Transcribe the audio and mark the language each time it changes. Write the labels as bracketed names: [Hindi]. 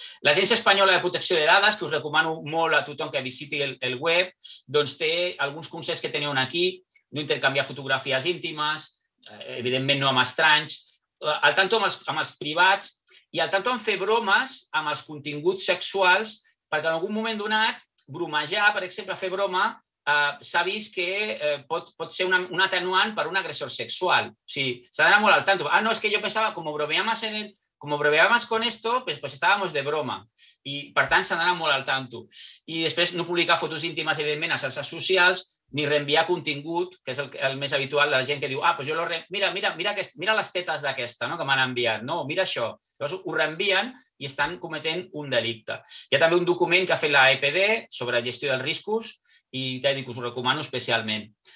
[Catalan] L'Agència Espanyola de Protecció de Dades, que us recomano molt a tothom que visiti el web, doncs té alguns consells que teniu aquí, no intercanviar fotografies íntimes, evidentment no amb estranys, al tanto amb els privats i al tanto amb fer bromes amb els continguts sexuals, perquè en algun moment donat, bromejar, per exemple, fer broma, s'ha vist que pot ser un atenuant per un agressor sexual. O sigui, s'ha d'anar molt al tanto. Ah, no, és que jo pensava, [Spanish] como bromeamos con esto, pues estábamos de broma. [Catalan] I, per tant, s'ha d'anar molt al tanto. I després, no publicar fotos íntimes, evidentment, a xarxes socials, ni reenviar contingut, que és el més habitual de la gent que diu, ah, [Spanish] pues yo lo [Catalan] mira les tetes d'aquesta, no?, que m'han enviat. No, mira això. Llavors ho reenvien i estan cometent un delicte. Hi ha també un document que ha fet la EPD sobre gestió dels riscos i dic, us ho recomano especialment.